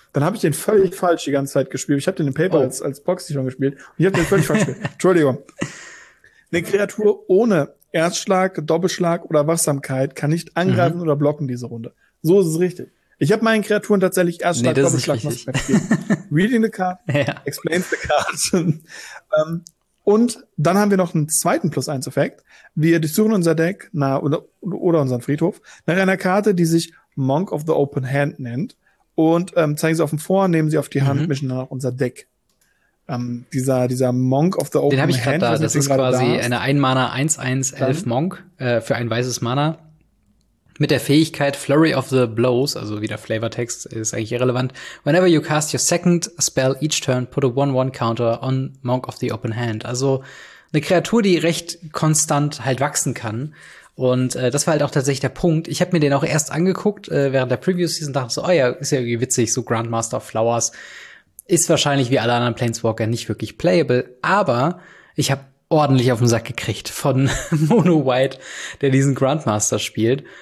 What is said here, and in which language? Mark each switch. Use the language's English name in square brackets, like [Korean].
[German] Dann habe ich den völlig falsch die ganze Zeit gespielt. Ich habe den in Paper als Boxy schon gespielt und ich habe den völlig falsch gespielt. Entschuldigung. Eine Kreatur ohne Erstschlag, Doppelschlag oder Wachsamkeit kann nicht angreifen oder blocken diese Runde. So ist es richtig. Ich habe meinen Kreaturen tatsächlich Erstschlag, Doppelschlag noch gespielt. [English] Reading the card, explain the card. [German] Und dann haben wir noch einen zweiten Plus-1-Effekt. Wir durchsuchen unser Deck oder unseren Friedhof nach einer Karte, die sich Monk of the Open Hand nennt. Und zeigen sie auf dem Vor, nehmen sie auf die Hand, mischen dann auch unser Deck. Dieser Monk of the Open Hand. Den habe ich gerade da. Das ist quasi eine Ein-Mana 1-1-11 Monk für ein weißes Mana. Mit der Fähigkeit Flurry of the Blows, also wieder Flavortext, ist eigentlich irrelevant. [English] Whenever you cast your second spell each turn, put a 1-1 counter on Monk of the Open Hand. [German] Also eine Kreatur, die recht konstant halt wachsen kann. Und das war halt auch tatsächlich der Punkt. Ich habe mir den auch erst angeguckt während der Preview-Season, dachte so, oh ja, ist ja irgendwie witzig, so Grandmaster of Flowers. Ist wahrscheinlich wie alle anderen Planeswalker nicht wirklich playable. Aber ich habe ordentlich auf den Sack gekriegt von Mono White, der diesen Grandmaster spielt.